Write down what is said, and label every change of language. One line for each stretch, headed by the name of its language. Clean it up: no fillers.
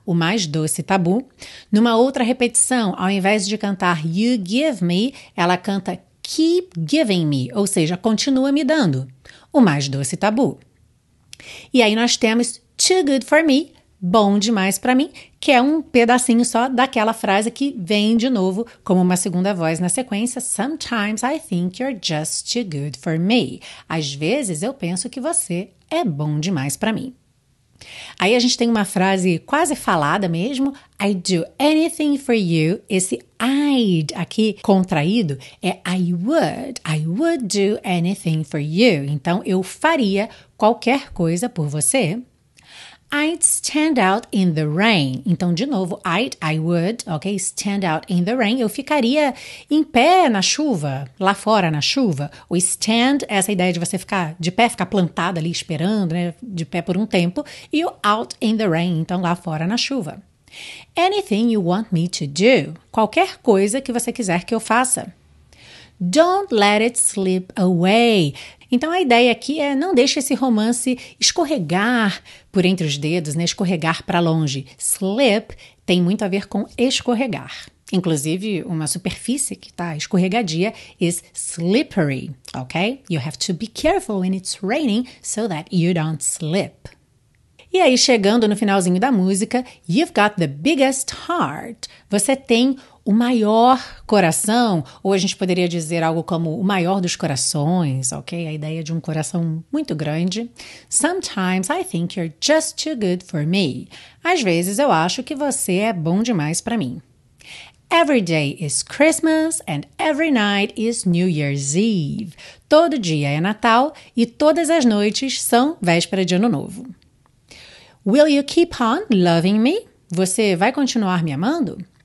Portuguese: o mais doce tabu. Numa outra repetição, ao invés de cantar
English: You Give Me,
Portuguese: ela canta
English: Keep Giving Me,
Portuguese: ou seja, continua me dando, o mais doce tabu. E aí nós temos
English: Too Good For Me,
Portuguese: bom demais para mim, que é um pedacinho só daquela frase que vem de novo como uma segunda voz na sequência.
English: Sometimes I think you're just too good for me.
Portuguese: Às vezes eu penso que você é bom demais para mim. Aí a gente tem uma frase quase falada mesmo.
English: I do anything for you. Esse I'd
Portuguese: aqui contraído é
English: I would do anything for you.
Portuguese: Então eu faria qualquer coisa por você.
English: I'd stand out in the rain.
Portuguese: Então, de novo,
English: I would, ok? Stand out in the rain.
Portuguese: Eu ficaria em pé na chuva, lá fora na chuva. O stand, essa ideia de você ficar de pé, ficar plantado ali esperando, né? De pé por um tempo. E o
English: out in the rain,
Portuguese: então lá fora na chuva.
English: Anything you want me to do.
Portuguese: Qualquer coisa que você quiser que eu faça.
English: Don't let it slip away.
Portuguese: Então, a ideia aqui é não deixe esse romance escorregar por entre os dedos, né? Escorregar para longe. Slip tem muito a ver com escorregar. Inclusive, uma superfície que está escorregadia
English: is slippery,
Portuguese: ok?
English: You have to be careful when it's raining so that you don't slip.
Portuguese: E aí, chegando no finalzinho da música,
English: you've got the biggest heart.
Portuguese: Você tem o maior coração, ou a gente poderia dizer algo como o maior dos corações, ok? A ideia de um coração muito grande.
English: Sometimes I think you're just too good for me.
Portuguese: Às vezes eu acho que você é bom demais para mim.
English: Every day is Christmas and every night is New Year's Eve.
Portuguese: Todo dia é Natal e todas as noites são véspera de Ano Novo.
English: Will you keep on loving me?
Portuguese: Você vai continuar me amando?